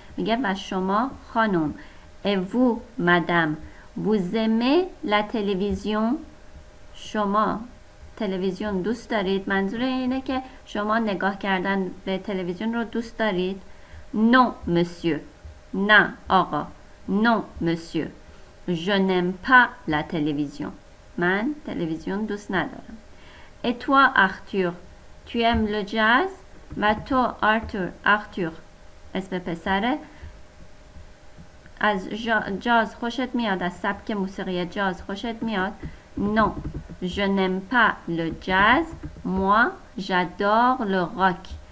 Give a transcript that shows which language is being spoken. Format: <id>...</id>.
<fa>میگه و شما خانم.</fa> <fr>Et vous, madame, vous aimez la télévision؟</fr> <fa>شما تلویزیون دوست دارید؟ منظور اینه که شما نگاه کردن به تلویزیون رو دوست دارید.</fa> <fr>Non, monsieur.</fr> <fa>نه آقا.</fa> <fr>Non, monsieur. Je n'aime pas la télévision.</fr> <fa>من تلویزیون دوست ندارم.</fa> <fr>Et toi, Arthur, tu aimes le jazz? Ma toi,</fr> <fa>Arthur, اسم پسره، از جاز خوشت میاد؟ از سبک موسیقی جاز خوشت میاد؟</fa> <fr>Non, je n'aime pas le jazz. Moi, j'adore le rock.</fr>